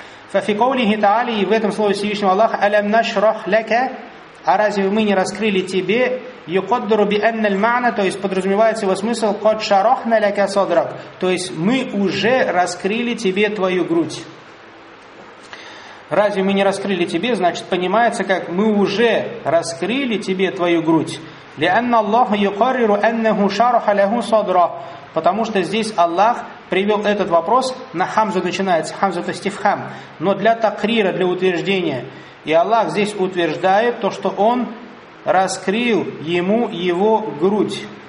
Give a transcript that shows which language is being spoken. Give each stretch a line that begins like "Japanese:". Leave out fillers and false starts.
Arabic: Фафикоулихи таали,
Russian: и в этом слове Всевышнего Аллаха,
Arabic: алям нашрох ляка,
Russian: а разве мы не раскрыли тебе,
Arabic: юкоддуру би энналь маана,
Russian: то есть подразумевается его смысл,
Arabic: код шарох на ляка содрак,
Russian: то есть мы уже раскрыли тебе твою грудь. Разве мы не раскрыли тебе, значит, понимается, как мы уже раскрыли тебе твою грудь.
Arabic: لأن الله يقرر أنه شرح له صدره.
Russian: Потому что здесь Аллах привел этот вопрос, на хамзу начинается, хамзу это стифхам, но для такрира, для утверждения. И Аллах здесь утверждает то, что Он раскрыл ему его грудь.